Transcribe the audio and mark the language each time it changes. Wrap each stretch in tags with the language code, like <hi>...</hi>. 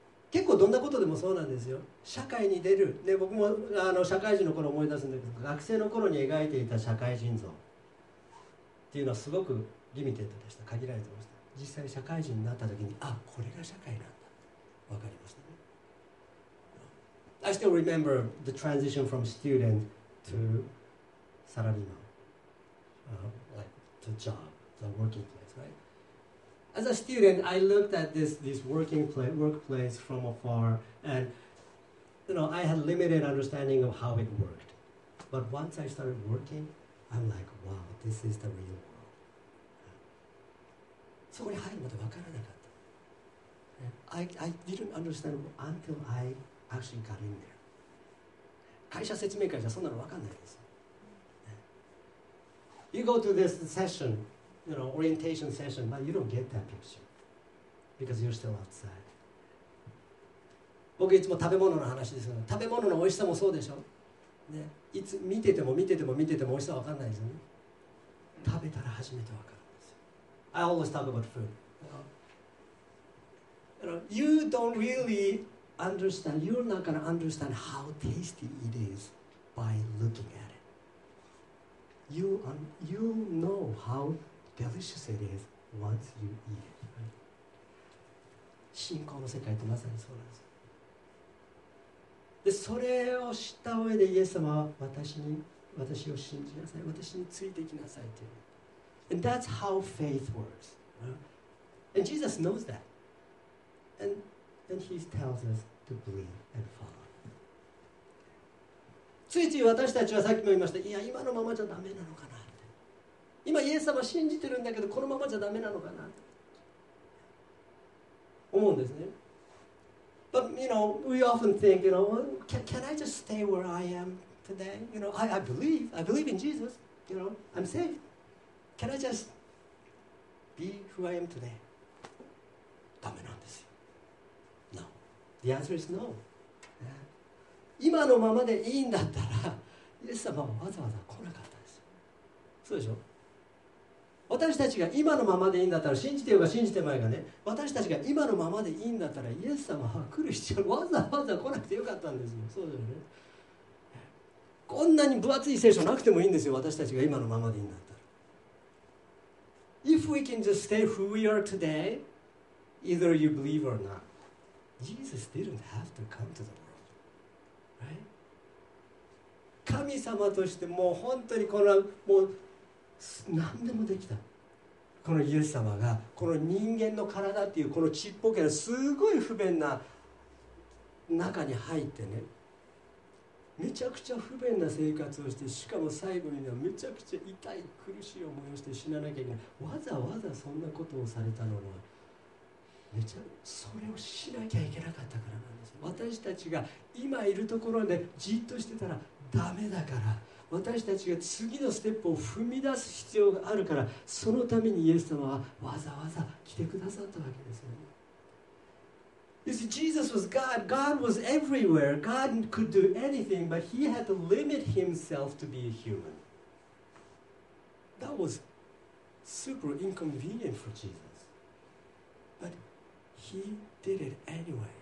<ja>結構どんなことでもそうなんですよ。社会に出る、ね、僕も社会人の頃思い出すんだけど、学生の頃に描いていた社会人像っていうのはすごくリミテッドでした、限られてました。実際社会人になった時に、あ、これが社会なんだ、わかりましたね。</ja> <en>I still remember the transition from studentto salaryman, like the job, the working place, right? As a student, I looked at this working workplace from afar, and you know, I had limited understanding of how it worked. But once I started working, I'm like, wow, this is the real world.</en> <ja>そこに入るまで分からなかった。</ja> <en>I didn't understand until I actually got in there.</en> <ja>会社説明会じゃそんなの分かんないです。</ja> <en>You go to this session, you know, orientation session, but you don't get that picture because you're still outside.</en> <ja>僕いつも食べ物の話ですよ。食べ物の美味しさもそうでしょ。ね、いつ見てても見てても見てても美味しさ分かんないですよね。食べたら初めて分かるんですよ。</ja> <en>I always talk about food. You don't really. Understand, you're not going to understand how tasty it is by looking at it. You know how delicious it is once you eat it.</en> <ja>信仰の世界ってまさにそうなんです。で、それを知った上でイエス様は私を信じなさい、私についてきなさいっていう。</ja> <en>And that's how faith works. And Jesus knows that. And he tells us.To believe and follow.</en> <ja>ついつい私たちはさっきも言いました、いや今のままじゃダメなのかなって、今イエス様信じてるんだけどこのままじゃダメなのかなって思うんですね。</ja> <en>But you know, we often think, you know, can I just stay where I am today? You know, I believe in Jesus. You know, I'm safe. Can I just be who I am today?</en> <ja>ダメなんですよ。</ja> <en>No. The answer is no.</en> <ja>今のままでいいんだったらイエス様はわざわざ来なかったんですよ。そうでしょ。私たちが今のままでいいんだったら、信じてようが信じてまいがね、私たちが今のままでいいんだったらイエス様は来る必要、わざわざ来なくてよかったんですよ。そうでしょ、ね、こんなに分厚い聖書なくてもいいんですよ。私たちが今のままでいいんだったら、</ja> <en>If we can just stay who we are today, either you believe or not, Jesus didn't have to come to the world.</en> <ja>神様としてもう本当にこのもう何でもできた、このイエス様がこの人間の体っていうこのちっぽけなすごい不便な中に入ってね、めちゃくちゃ不便な生活をして、しかも最後にはめちゃくちゃ痛い苦しい思いをして死ななきゃいけない、わざわざそんなことをされたのは、めちゃそれをしなきゃいけなかったからなんです。私たちが今いるところでじっとしてたらダメだから、私たちが次のステップを踏み出す必要があるから、そのためにイエス様はわざわざ来てくださったわけですよ。</ja> <en>You see, Jesus was God. God was everywhere. God could do anything, but he had to limit himself to be a human. That was super inconvenient for Jesus. But he did it anyways.</en>